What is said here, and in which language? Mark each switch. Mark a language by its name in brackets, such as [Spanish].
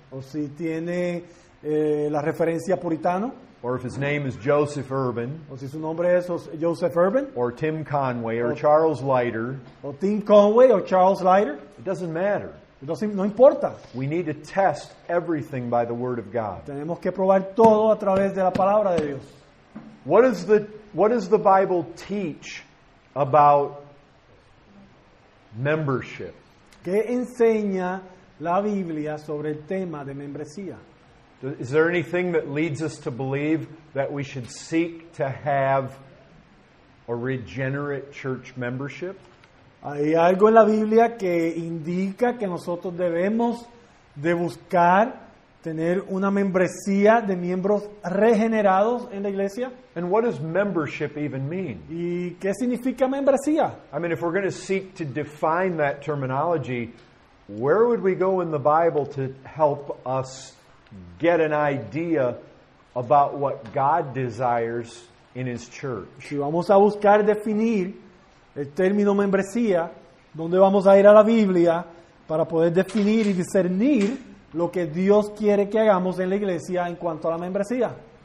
[Spanish] O si tiene la referencia puritano. [English] Or if his name is Joseph Urban. [Spanish] O si su nombre es Joseph Urban. [English] Or Tim Conway or Charles Leiter. [Spanish] O Tim Conway or Charles Leiter. [English] It doesn't matter. [Spanish] No importa. [English] We need to test everything by the Word of God. [Spanish] Tenemos que probar todo a través de la palabra de Dios. [English] What does the Bible teach about membership? [Spanish] ¿Qué enseña la Biblia sobre el tema de membresía? [English] Is there anything that leads us to believe that we should seek to have a regenerate church membership? [Spanish] ¿Hay algo en la Biblia que indica que nosotros debemos de buscar tener una membresía de miembros regenerados en la iglesia? [English] And what does membership even mean? [Spanish] ¿Y qué significa membresía? [English] I mean, if we're going to seek to define that terminology, where would we go in the Bible to help us get an idea about what God desires in His church? [Spanish] Si vamos a buscar definir el término membresía, ¿dónde vamos a ir a la Biblia para poder definir y discernir lo que Dios quiere que hagamos en la iglesia en cuanto a la membresía?